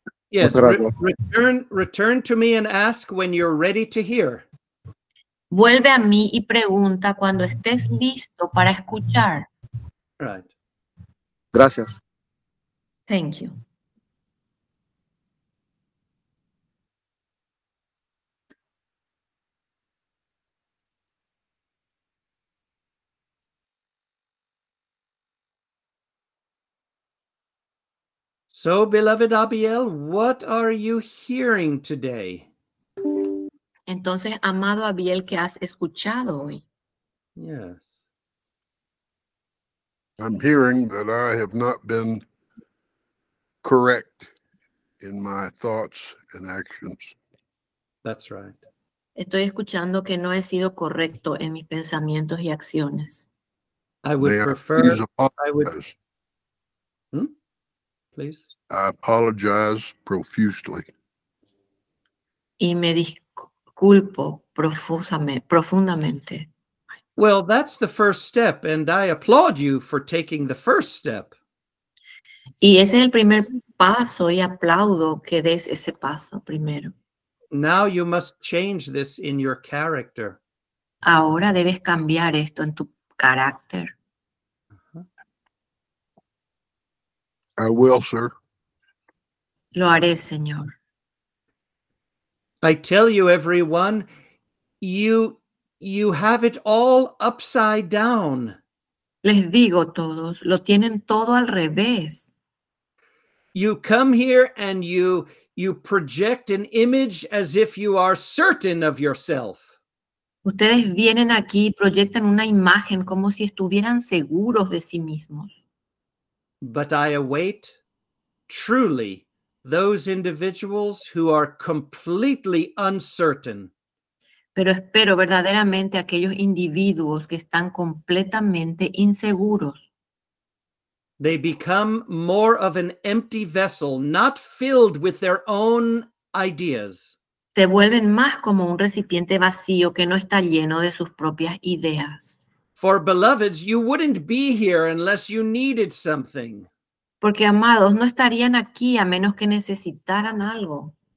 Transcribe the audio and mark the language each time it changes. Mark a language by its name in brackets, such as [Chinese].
[English] Yes, return to me and ask when you're ready to hear. [Spanish] Vuelve a mí y pregunta cuando estés listo para escuchar. [English] Right. [Spanish] Gracias. [English] Thank you. So, beloved Abiel, what are you hearing today? [Spanish] Entonces, amado Abiel, ¿qué has escuchado hoy? [English] Yes. I'm hearing that I have not been correct in my thoughts and actions. That's right. [Spanish] Estoy escuchando que no he sido correcto en mis pensamientos y acciones. [English] I apologize profusely. [Spanish] Y me disculpo profundamente. [English] Well, that's the first step, and I applaud you for taking the first step. [Spanish] Y ese es el primer paso, y aplaudo que des ese paso primero. [English] Now you must change this in your character. [Spanish] Ahora debes cambiar esto en tu carácter. [English] I will, sir. [Spanish] Lo haré, señor. [English] I tell you, everyone, you have it all upside down. [Spanish] Les digo todos, lo tienen todo al revés. [English] You come here and you You project an image as if you are certain of yourself. [Spanish] Ustedes vienen aquí y proyectan una imagen como si estuvieran seguros de sí mismos. [English] But I await truly those individuals who are completely uncertain. [Spanish] Pero espero verdaderamente aquellos individuos que están completamente inseguros. [English] They become more of an empty vessel, not filled with their own ideas. [Spanish] Se vuelven más como un recipiente vacío que no está lleno de sus propias ideas. [English] For beloveds, you wouldn't be here unless you needed something. [Spanish] Porque amados, no estarían aquí a menos que necesitaran algo.